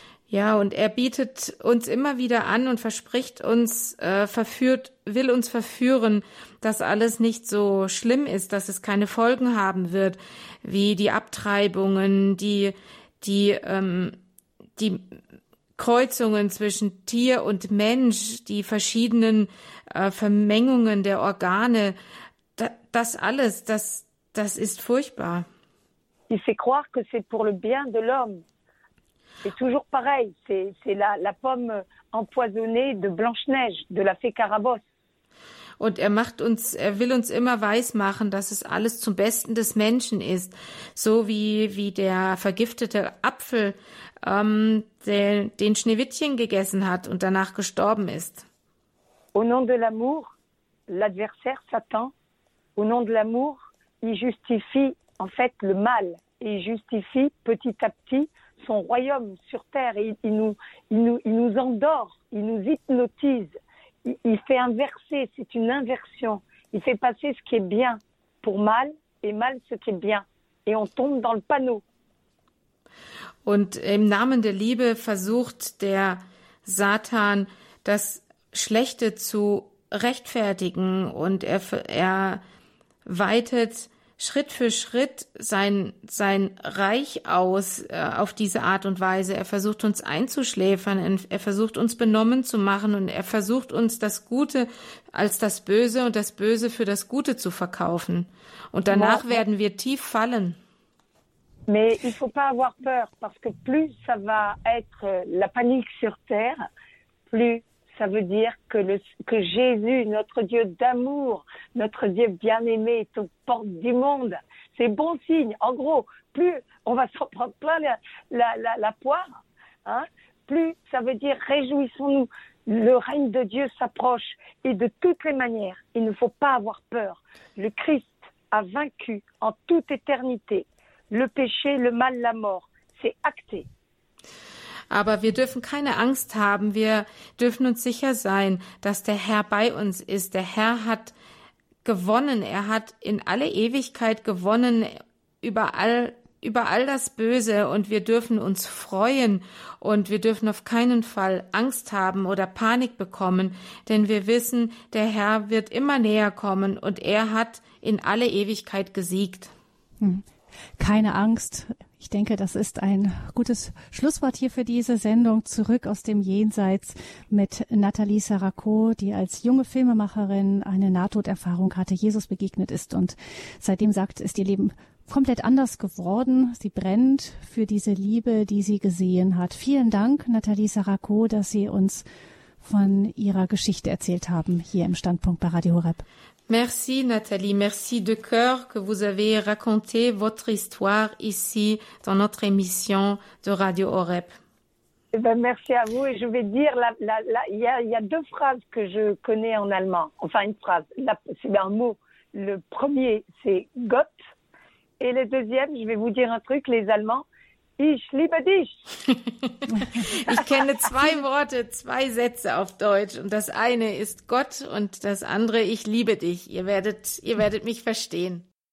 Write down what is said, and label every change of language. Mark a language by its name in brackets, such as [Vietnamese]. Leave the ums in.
[German] Ja, und er bietet uns immer wieder an und verspricht uns, äh, verführt, will uns verführen, dass alles nicht so schlimm ist, dass es keine Folgen haben wird, wie die Abtreibungen, die, die, ähm, die Kreuzungen zwischen Tier und Mensch, die verschiedenen äh, Vermengungen der Organe, da, das alles, das, das ist furchtbar. [French] Il fait croire que c'est pour le bien de l'homme. C'est toujours pareil, c'est c'est la, la pomme empoisonnée de Blanche-Neige, de la fée Carabosse. [German] Und er macht uns, er will uns immer weismachen, dass es alles zum Besten des Menschen ist. So wie, wie der vergiftete Apfel, ähm, der, den Schneewittchen gegessen hat und danach gestorben ist. [French] Au nom de l'amour, l'adversaire, Satan, au nom de l'amour, il justifie en fait le mal et il justifie petit à petit son royaume sur terre. Et il, il nous, il, nous, il nous endort, il nous hypnotise, il, il fait inverser, c'est une inversion. Il fait passer ce qui est bien pour mal et mal ce qui est bien. Et on tombe dans le panneau. [German] Und im Namen der Liebe versucht der Satan, das Schlechte zu rechtfertigen und er, ver- er weitet Schritt für Schritt sein, sein Reich aus äh, auf diese Art und Weise. Er versucht uns einzuschläfern, en- er versucht uns benommen zu machen und er versucht uns das Gute als das Böse und das Böse für das Gute zu verkaufen. Und danach Wow. werden wir tief fallen. [French] Mais il ne faut pas avoir peur parce que plus ça va être euh, la panique sur terre, plus ça veut dire que, le, que Jésus, notre Dieu d'amour, notre Dieu bien-aimé, est aux portes du monde. C'est bon signe. En gros, plus on va s'en prendre plein la, la, la, la poire, hein, plus ça veut dire réjouissons-nous. Le règne de Dieu s'approche et de toutes les manières, il ne faut pas avoir peur. Le Christ a vaincu en toute éternité le péché, le mal, la mort. C'est acté. [German] Aber wir dürfen keine Angst haben. Wir dürfen uns sicher sein, dass der Herr bei uns ist. Der Herr hat gewonnen. Er hat in alle Ewigkeit gewonnen über all, über all das Böse. Und wir dürfen uns freuen. Und wir dürfen auf keinen Fall Angst haben oder Panik bekommen. Denn wir wissen, der Herr wird immer näher kommen. Und er hat in alle Ewigkeit gesiegt. Keine Angst. Ich denke, das ist ein gutes Schlusswort hier für diese Sendung. Zurück aus dem Jenseits mit Nathalie Sarako, die als junge Filmemacherin eine Nahtoderfahrung hatte, Jesus begegnet ist und seitdem sagt, ist ihr Leben komplett anders geworden. Sie brennt für diese Liebe, die sie gesehen hat. Vielen Dank, Nathalie Sarako, dass Sie uns von Ihrer Geschichte erzählt haben hier im Standpunkt bei Radio Horeb. [French] Merci Nathalie, merci de cœur que vous avez raconté votre histoire ici dans notre émission de Radio Horeb. Eh ben, merci à vous. Et je vais dire, la- la- la- il y, a- il y a deux phrases que je connais en allemand. Enfin, une phrase. La- C'est un mot. le premier, c'est Gott. Et le deuxième, je vais vous dire un truc, les Allemands, [German] ich liebe dich. Ich kenne zwei Worte, zwei Sätze auf Deutsch und das eine ist Gott und das andere ich liebe dich. Ihr werdet, ihr werdet mich verstehen.